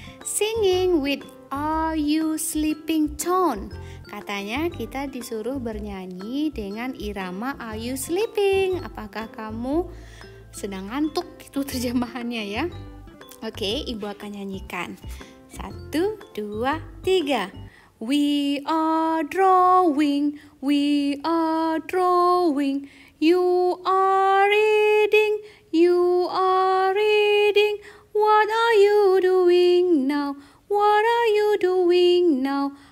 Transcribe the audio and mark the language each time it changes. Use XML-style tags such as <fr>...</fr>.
<en>Singing with are you sleeping tone.</en> <id>Katanya kita disuruh bernyanyi dengan irama are you sleeping. Apakah kamu sedang ngantuk, itu terjemahannya ya. Oke, ibu akan nyanyikan. 1, 2, 3.</id> <en>We are drawing, we are drawing. You are reading, you are reading. What are you doing now? What are you doing now?</en>